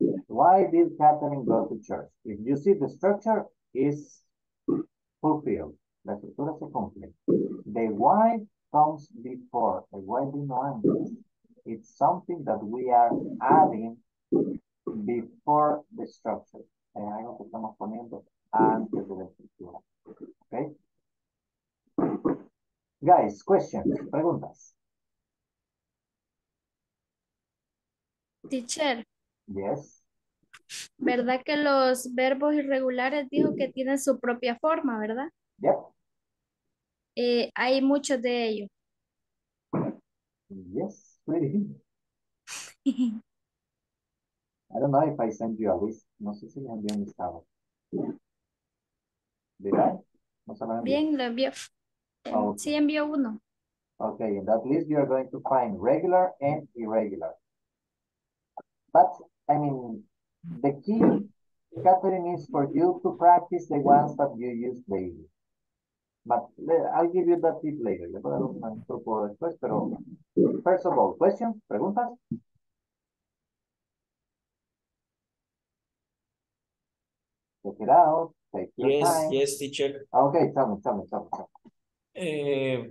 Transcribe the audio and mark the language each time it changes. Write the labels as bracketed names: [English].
[English] Why did Catherine go to church? If you see, the structure is fulfilled. [Spanish] La estructura se cumple. [English] The why comes before. The why do not answer. It's something that we are adding before the structure. [Spanish] Es algo que estamos poniendo antes de la estructura. [English] Okay? Guys, questions, preguntas. Teacher. Yes. [Spanish] ¿Verdad que los verbos irregulares dijo que tienen su propia forma, verdad? [English] Yep. [Spanish] Hay muchos de ellos. [English] Yes, pretty. I don't know if I sent you a list. [Spanish] No sé si me envió un listado. ¿Verdad? ¿No se lo envió? Bien, lo envió. Okay. Sí, envió uno. [English] Okay, in that list you are going to find regular and irregular. But, I mean, the key, Catherine, is for you to practice the ones that you use daily. But I'll give you that tip later. [Spanish] Le voy a dar un truco después, pero [English] first of all, questions, [Spanish] preguntas? [English] Check it out. Take your yes, time. Yes, teacher. Okay, tell me.